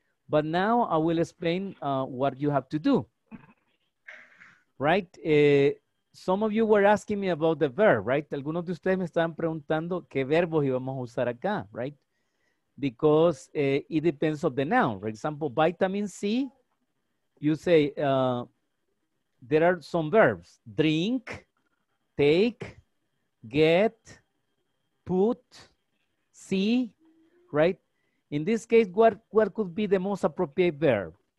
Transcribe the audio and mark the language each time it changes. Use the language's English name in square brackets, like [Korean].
[English] But now I will explain what you have to do. Right? Some of you were asking me about the verb, right? [Spanish] Algunos de ustedes me estaban preguntando qué verbos íbamos a usar acá, right? [English] Because it depends on the noun. For example, vitamin C, you say there are some verbs. Drink, take, get, put, see. Right? In this case, what could be the most appropriate verb?